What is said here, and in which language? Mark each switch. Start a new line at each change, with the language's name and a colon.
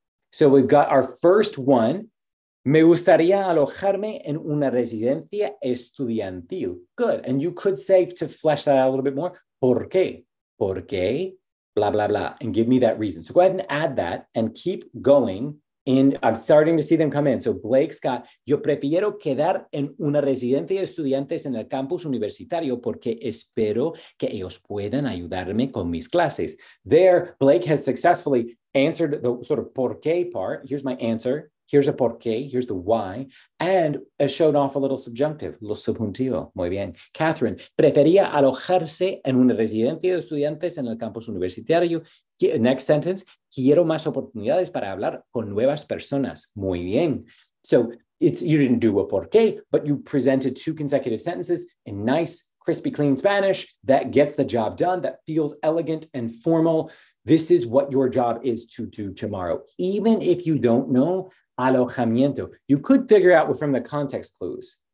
English: So we've got our first one.
Spanish: Me gustaría alojarme en una residencia estudiantil.
English: Good. And you could say, to flesh that out a little bit more,
Spanish: ¿por qué? ¿Por qué?
English: Blah, blah, blah. And give me that reason. So go ahead and add that and keep going And I'm starting to see them come in. So Blake's got,
Spanish: yo prefiero quedar en una residencia de estudiantes en el campus universitario porque espero que ellos puedan ayudarme con mis clases.
English: There, Blake has successfully answered the sort of por qué part. Here's my answer. Here's a por qué. Here's the why. And has shown off a little subjunctive,
Spanish: lo subjuntivo. Muy bien. Catherine, prefería alojarse en una residencia de estudiantes en el campus universitario.
English: Next sentence,
Spanish: quiero más oportunidades para hablar con nuevas personas. Muy bien.
English: So it's, you didn't do a por qué, but you presented two consecutive sentences in nice, crispy, clean Spanish that gets the job done, that feels elegant and formal. This is what your job is to do tomorrow. Even if you don't know alojamiento, you could figure out from the context clues.